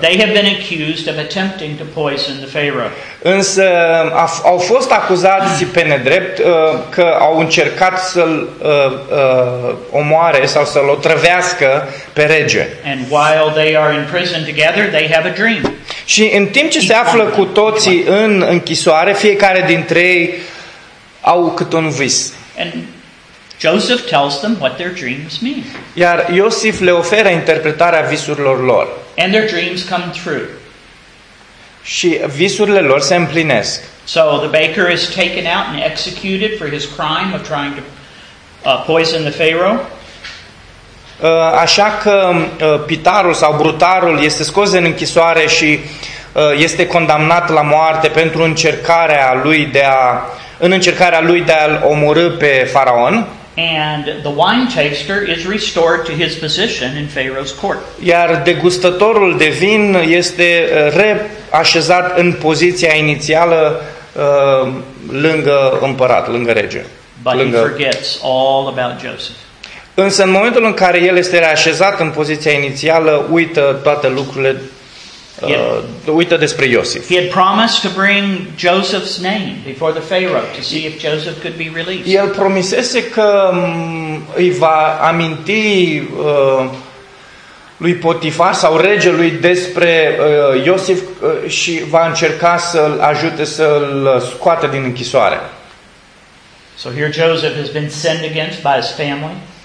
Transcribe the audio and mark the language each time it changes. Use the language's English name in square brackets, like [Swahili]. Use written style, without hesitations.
[English] They have been accused of attempting to poison the Pharaoh. [Romanian] Însă au fost acuzați pe nedrept că au încercat să-l omoare sau să-l otrăvească pe rege. [English] And while they are in prison together, they have a dream. [Romanian] Și în timp ce se află cu toții în închisoare, fiecare dintre ei au cât un vis. [English] And Joseph tells them what their dreams mean. [Romanian] Iar Iosif le oferă interpretarea visurilor lor. [English] And their dreams come true. [Romanian] Și visurile lor se împlinesc. [English] So the baker is taken out and executed for his crime of trying to poison the Pharaoh. [Romanian] Așa că pitarul sau brutarul este scos din închisoare și este condamnat la moarte pentru încercarea lui de a-l omorâ pe faraon. [English] And the wine taster is restored to his position in Pharaoh's court. [Romanian] Iar degustătorul de vin este reașezat în poziția inițială lângă împărat, lângă rege. [English] But [Romanian] lângă... [English] he forgets all about Joseph. [Romanian] Însă în momentul în care el este reașezat în poziția inițială, uită toate lucrurile, uită despre Iosif. [English] He had promised to bring Joseph's name before the Pharaoh to see if Joseph could be released. [Romanian] El promisese că îi va aminti lui Potifar sau regelui despre Iosif și va încerca să-l ajute să-l scoată din închisoare. [English] So here Joseph has been sinned against by his family.